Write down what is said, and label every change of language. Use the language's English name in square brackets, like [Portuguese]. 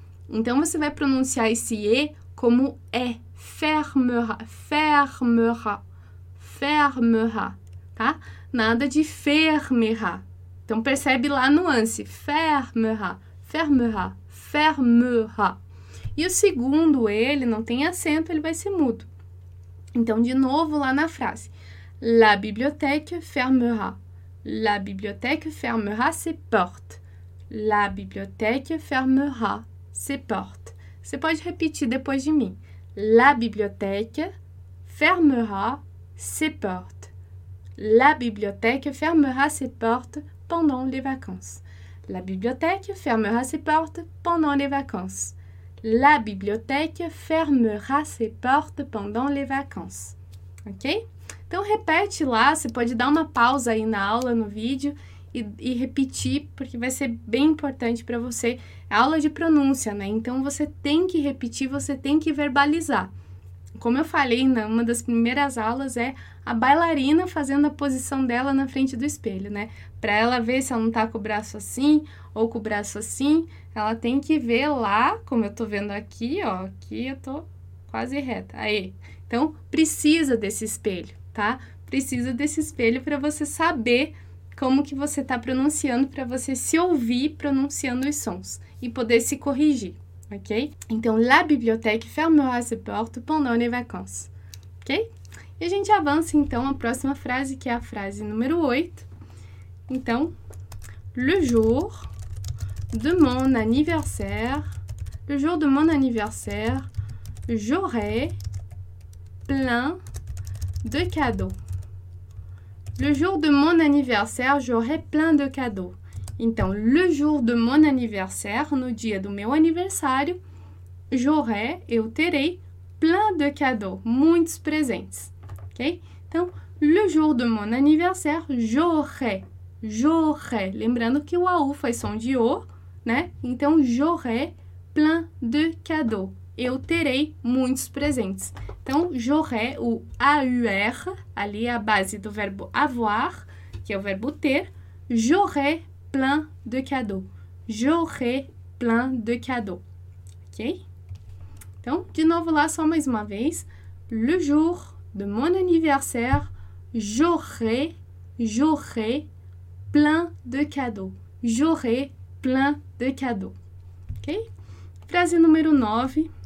[Portuguese] Então, você vai pronunciar esse E como E. [French] Fermera, fermera, fermera, [Portuguese] tá? Nada de fermera. Então, percebe lá a nuance. [French] Fermera, fermera, fermera. [Portuguese] E o segundo E, ele não tem acento, ele vai ser mudo. Então, de novo, lá na frase. [French] La bibliothèque fermera. La bibliothèque fermera ses portes. La bibliothèque fermera ses portes. [Portuguese] Você pode repetir depois de mim. [French] La bibliothèque fermera ses portes. La bibliothèque fermera ses portes pendant les vacances. La bibliothèque fermera ses portes pendant les vacances. La bibliothèque fermera ses portes pendant les vacances. [Portuguese] Ok? Então, repete lá, você pode dar uma pausa aí na aula, no vídeo, e repetir, porque vai ser bem importante para você. É aula de pronúncia, né? Então, você tem que repetir, você tem que verbalizar. Como eu falei, numa das primeiras aulas, é a bailarina fazendo a posição dela na frente do espelho, né? Para ela ver se ela não tá com o braço assim, ou com o braço assim, ela tem que ver lá, como eu tô vendo aqui, ó, aqui eu tô quase reta. Aí, então, precisa desse espelho, tá? Precisa desse espelho para você saber como que você tá pronunciando, para você se ouvir pronunciando os sons e poder se corrigir. Ok? [French] Então, la bibliothèque fermera ses portes pendant les vacances. Ok? [Portuguese] E a gente avança, então, à próxima frase, que é a frase número 8. [French] Então, le jour de mon anniversaire, le jour de mon anniversaire, j'aurai plein de cadeaux. Le jour de mon anniversaire, j'aurai plein de cadeaux. [Portuguese] Então, [French] le jour de mon anniversaire, [Portuguese] no dia do meu aniversário, [French] j'aurai, [Portuguese] eu terei, [French] plein de cadeaux, [Portuguese] muitos presentes, ok? Então, [French] le jour de mon anniversaire, j'aurai, j'aurai, [Portuguese] lembrando que o AU faz som de O, né? Então, [French] j'aurai plein de cadeaux, [Portuguese] eu terei muitos presentes. Então, j'aurai, o AUR, ali é a base do verbo avoir, que é o verbo ter, [French] j'aurai plein de cadeaux. J'aurai plein de cadeaux. [Portuguese] Ok? Então, de novo lá, só mais uma vez. [French] Le jour de mon anniversaire, j'aurai, j'aurai plein de cadeaux. J'aurai plein de cadeaux. Ok? Phrase número 9.